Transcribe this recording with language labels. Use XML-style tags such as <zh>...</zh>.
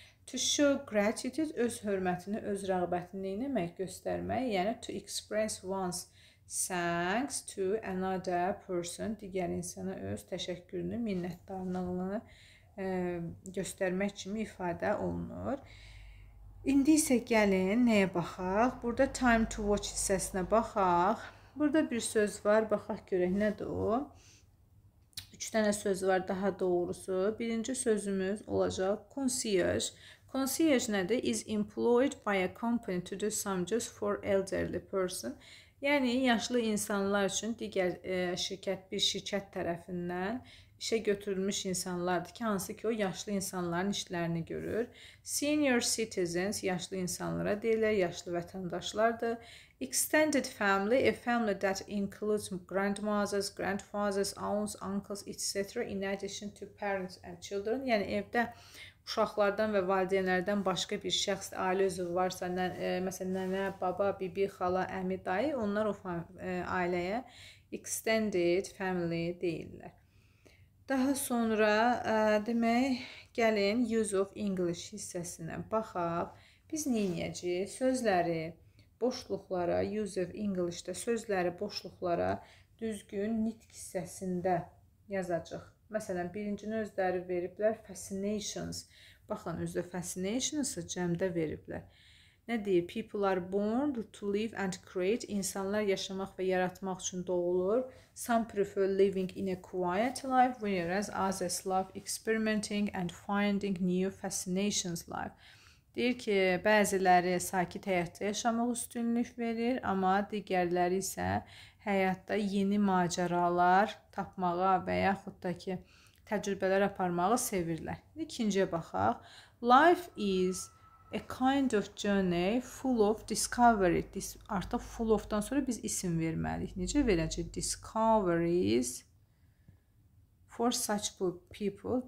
<en>To show gratitude,</en> <az>öz hörmətini, öz rəğbətini nəmək göstərmək, yəni</az> <en>to express one's thanks to another person,</en> <az>digər insana öz təşəkkürünü, minnətdarlığını göstərmək kimi ifadə olunur. İndi isə gəlin, nəyə baxaq? Burada time to watch hissəsinə baxaq. Burada bir söz var, baxaq görək nədir o? Üç dənə söz var daha doğrusu. Birinci sözümüz olacaq concierge. Concierge nədir?</az> <en>Is employed by a company to do some jobs for elderly person.</en> <az>Yəni, yaşlı insanlar üçün digər bir şirkət tərəfindən işə götürülmüş insanlardır ki, hansı ki o yaşlı insanların işlərini görür.</az> <en>Senior citizens,</en> <az>yaşlı insanlara deyirlər, yaşlı vətəndaşlardır.</az> <en>Extended family, a family that includes grandmothers, grandfathers, aunts, uncles, etc. in addition to parents and children.</en> <az>Yəni, evdə uşaqlardan və valideynlərdən başqa bir şəxs, ailə üzvü varsa, məsələn, nənə, baba, bibi, xala, əmi, dayı, onlar o ailəyə extended family deyirlər. Daha sonra, demək, gəlin use of English hissəsinə baxaq. Biz nəyəcəyik? Sözləri boşluqlara, use of English-də sözləri boşluqlara düzgün nitq hissəsində yazacaq. Məsələn, birincini özləri veriblər, fascinations. Baxın, özlə fascinations-ı cəmdə veriblər. Nə deyir?</az> <en>People are born to live and create.</en> <az>İnsanlar yaşamaq və yaratmaq üçün doğulur.</az> <en>Some prefer living in a quiet life, whereas others love experimenting and finding new fascinations life.</en> <az>Deyir ki, bəziləri sakit həyatda yaşamaq üstünlük verir, amma digərləri isə həyatda yeni macəralar tapmağa və yaxud da ki, təcrübələr aparmağı sevirlər. İkinciyə baxaq.</az> <en>Life is a kind of journey full of discovery.</en> <az>Artıq full of-dan sonra biz isim verməliyik. Necə verəcək?</az> <en>Discoveries for such people.</en>